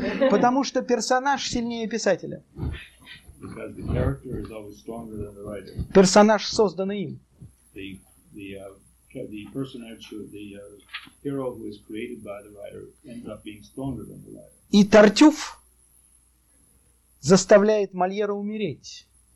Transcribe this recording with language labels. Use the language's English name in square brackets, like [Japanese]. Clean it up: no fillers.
[Russian] Потому что персонаж сильнее писателя. [English] Because the character is always stronger than the writer. [Russian] Персонаж создан им. [English] The personage, the hero who is created by the writer ends up being stronger than the writer. [Russian] И Тартюф заставляет Мольера умереть.